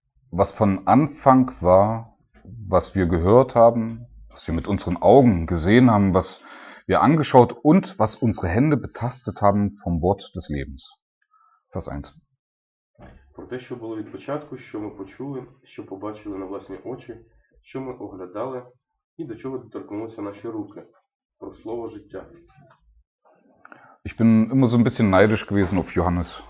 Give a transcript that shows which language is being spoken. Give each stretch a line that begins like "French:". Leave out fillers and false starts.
German: Was von Anfang war, was wir gehört haben, was wir mit unseren Augen gesehen haben, was wir angeschaut und was unsere Hände betastet haben vom Wort des Lebens. Vers 1.
Ukrainian: Про те, що було від початку, що ми почули, що побачили на власні очі, що ми оглядали і до чого доторкнулися наші руки. Про слово життя.
German: Ich bin immer so ein bisschen neidisch gewesen auf Johannes.